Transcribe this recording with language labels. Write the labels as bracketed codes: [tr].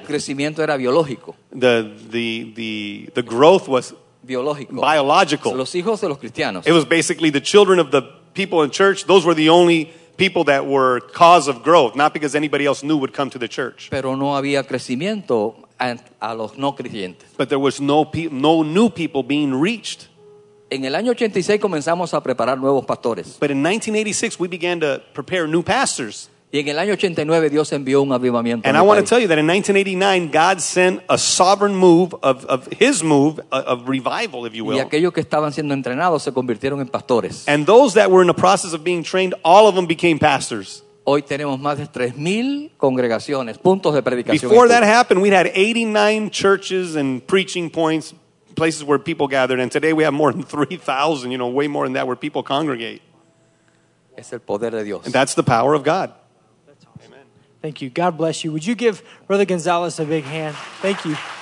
[es] El crecimiento era biológico. [en] The growth was [es] biológico. [en] Biological. [es] Los hijos de los cristianos. [en] It was basically the children of the people in church. Those were the only people that were cause of growth, not because anybody else knew would come to the church. [es] Pero no había crecimiento a los no creyentes. [en] But there was no new people being reached. [es] En el año 86 comenzamos a preparar nuevos pastores. [en] But in 1986, we began to prepare new pastors. [es] Y en el año 89, Dios envió un avivamiento. [en] And I want to tell you that in 1989, God sent a sovereign move of his move, of revival, if you will. [es] Y aquellos que estaban siendo entrenados se convirtieron en pastores. [en] And those that were in the process of being trained, all of them became pastors. [es] Hoy tenemos más de 3,000 congregaciones, puntos de predicación. [en] Before that happened, we had 89 churches and preaching points, places where people gathered. And today we have more than 3,000, you know, way more than that, where people congregate. [es] Es el poder de Dios. [en] And that's the power of God. Thank you. God bless you. Would you give Brother Gonzalez a big hand? Thank you.